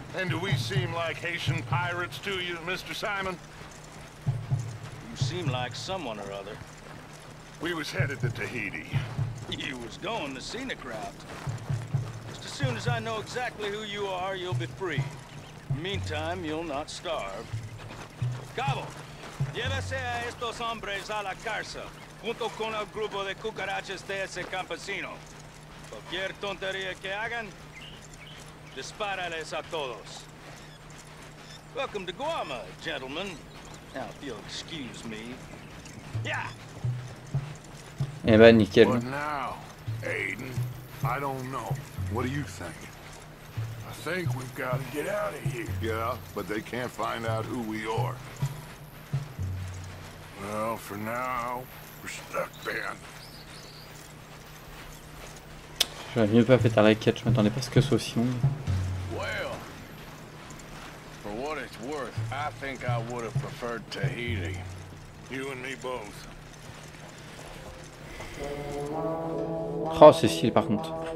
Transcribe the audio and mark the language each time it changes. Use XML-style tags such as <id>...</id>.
<en>And do we seem like Haitian pirates to you, Mr. Simon? You seem like someone or other. We was headed to Tahiti. You was going the scenic route. Just as soon as I know exactly who you are, you'll be free. Meantime, you'll not starve.</en> <es>Cabo, llévese a estos hombres a la cárcel. Junto con el grupo de cucarachas de ese campesino. Cualquier tontería que hagan, dispárales a todos.</es> <en>Welcome to Guama, gentlemen. Now, if you'll excuse me. Yeah!</en> <fr>Eh ben, nickel.</fr> <en>What now, Aiden? I don't know. What do you think? I think we've got to get out of here. Yeah, but they can't find out who we are. Well, for now, we're stuck then.</en> <fr>J'aurais mieux pas fait ta raquette, je m'attendais pas à ce que ce soit aussi long.</fr> <en>Well, for what it's worth, I think I would have preferred Tahiti. You and me both.</en> <fr>Oh, c'est stylé par contre.</fr>